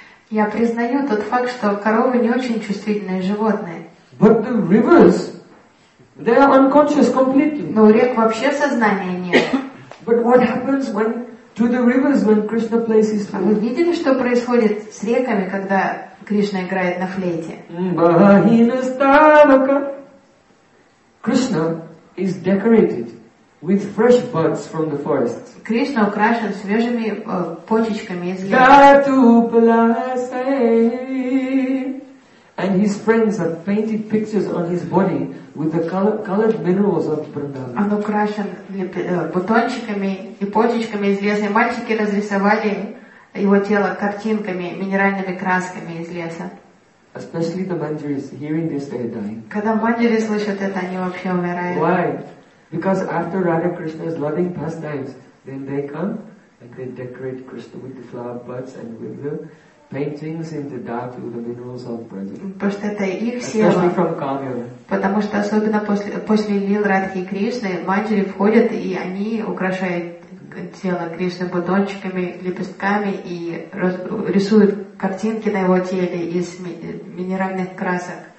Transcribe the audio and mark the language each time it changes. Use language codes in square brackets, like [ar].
[ru] Я признаю тот факт, что коровы не очень чувствительные животные. [en] But the rivers, they are unconscious completely. [ru] Но у рек вообще сознания нет. [en] But what happens when to the rivers when Krishna plays his flute? [ru] А вы видели, что происходит с реками, когда Кришна играет на флейте? Бахина ставка. [en] Krishna is decorated with fresh buds from the forest. [ru] Кришна украшен свежими почечками из леса. [en] And his friends have painted pictures on his body with the colored minerals of Vrindavan. [ru] Он украшен бутончиками и почечками из леса. Мальчики разрисовали его тело картинками, минеральными красками из леса. [en] Especially the mandiris, hearing this, they are dying. [ru] Когда мандири слышат это, они вообще умирают. [en] Why? Because after Radha Krishna's loving pastimes, then they come and they decorate Krishna with the flower buds and with the paintings in the dark with the minerals of Vrindavan. [ru] Потому что это их сила. [en] Especially from Kalyana. [ru] Потому что особенно после лил Радхи Кришны мандири входят и они украшают тело Кришны бутончиками, лепестками и рисуют картинки на его теле из минеральных красок.